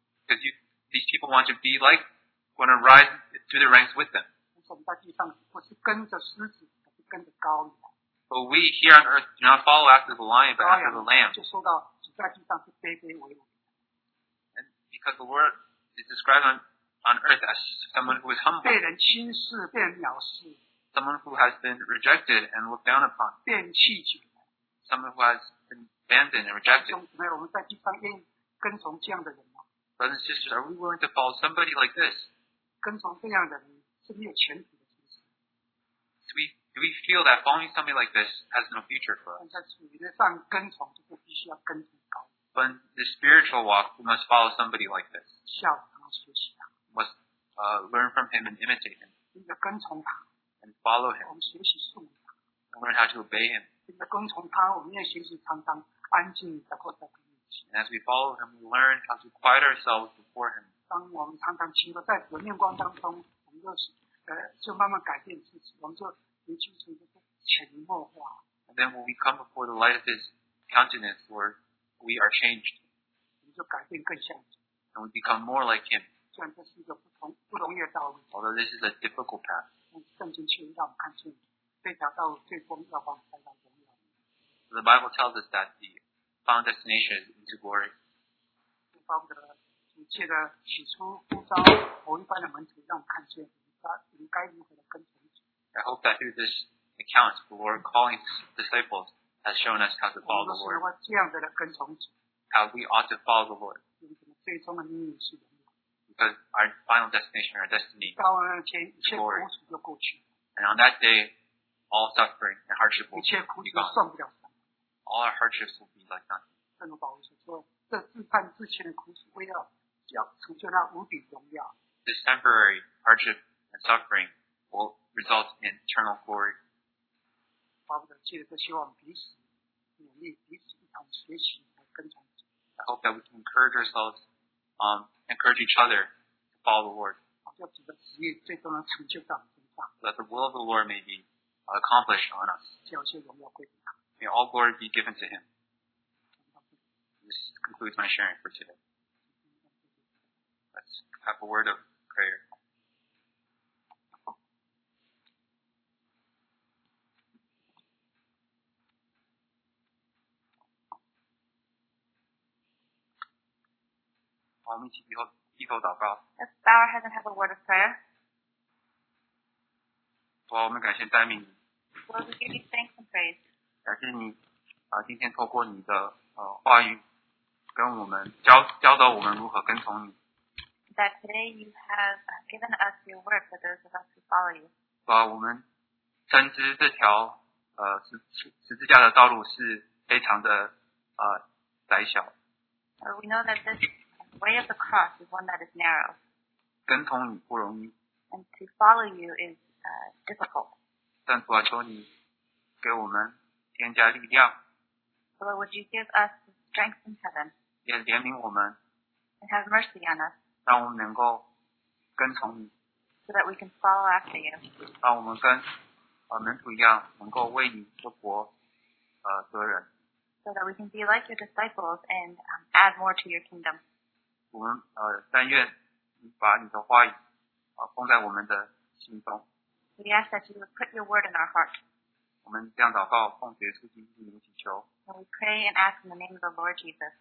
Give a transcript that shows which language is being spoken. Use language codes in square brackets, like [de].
[en] Because these people want to be like, want to rise through the ranks with them. [zh] 我们在地上不是跟着狮子，而是跟着羔羊。 [en] But we here on earth do not follow after the lion, but after the lamb. [zh] 就说到只在地上是卑卑微微。 [en] And because the word is described on earth as someone who is humble. [zh] 被人轻视，被人藐视。 [en] Someone who has been rejected and looked down upon. [zh] 被人弃绝。 [en] Someone who has been abandoned and rejected. [zh] 弟兄姊妹，我们在地上愿意跟从这样的人吗？ [en] Brothers and sisters, are we willing to follow somebody like this? [zh] 跟从这样的人是没有前途的。 [en] Do we feel that following somebody like this has no future for us? [zh] 在属灵上跟从就必须要跟从高。 [en] But in the spiritual walk, we must follow somebody like this. [zh] 效法学习。 [en] Must learn from him and imitate him. [zh] 你要跟从他。 [en] And follow him. [zh] 我们学习顺服他。 [en] And learn how to obey him. [zh] 你要跟从他，我们要学习常常安静的坐在他面前。 [en] And as we follow him, we learn how to quiet ourselves before him. [zh] 当我们常常停留在主的面光当中，我们就慢慢改变自己，我们就年轻成一个潜移默化。 [en] And then when we come before the light of his countenance, Lord, we are changed. [zh] 我们就改变更像主。 [en] And we become more like him. [zh] 虽然这是一个不容易的道路 [en] ，although this is a difficult path， [zh] 但圣经却让我们看见这条道路最终要往上到荣耀。 [en] The Bible tells us that the final destination is into glory。 [zh] 我们的主借着起初呼召某一班的门徒，让我们看见应该如何的跟从。 [en] I hope that through this account, the Lord calling disciples has shown us how to follow the Lord。 [zh] 我们这样的跟从主。 [en] How we ought to follow the Lord。 [zh] 最终的命运是。 [en] Because our final destination, our destiny, is glory. And on that day, all suffering and hardship will be gone. all our hardships will be like nothing. [zh] 正如保罗所说，这试探之前的苦楚，为了要成就那无比荣耀。 [en] This temporary hardship and suffering will result in eternal glory. [zh] 巴不得借着这希望彼此勉励，彼此一同学习和跟从。 [en] I hope that we can encourage ourselves, encourage each other to follow the Lord. [zh] 好叫主的旨意最终能成就到你身上。 [en] That the will of the Lord may be accomplished on us. [zh] 叫一切荣耀归给他。 [en] May all glory be given to Him. This concludes my sharing for today. Let's have a word of prayer. Let's bow our heads and have a word of prayer. Lord, we give you thanks and praise. [zh] 感谢你、今天透过你的、话语跟我们 教导我们如何跟从你。 [en] That today you have given us your word for those of us who follow you. [zh] 主啊，我们深知这条、十字架的道路是非常的、窄小。 [en] We know that this way of the cross is one that is narrow. [zh] 跟从你不容易。 [en] And to follow you is、difficult. [zh] 但主啊，求你给我们添加力量。 [en] So Lord, would you give us strength from heaven? [zh] 也怜悯我们。 [en] And have mercy on us. [zh] 让我们能够跟从你。 [en] So that we can follow after you. [zh] 让我们跟、门徒一样，能够为你复活、得人。 [en] So that we can be like your disciples and、add more to your kingdom. [zh] 我们、但愿把你的话语、放在我们的心中。 [en] We ask that you would put your word in our heart. [zh] 我们这样祷告，奉主耶稣基督的名祈求。 [en] And we pray and ask in the name of the Lord Jesus.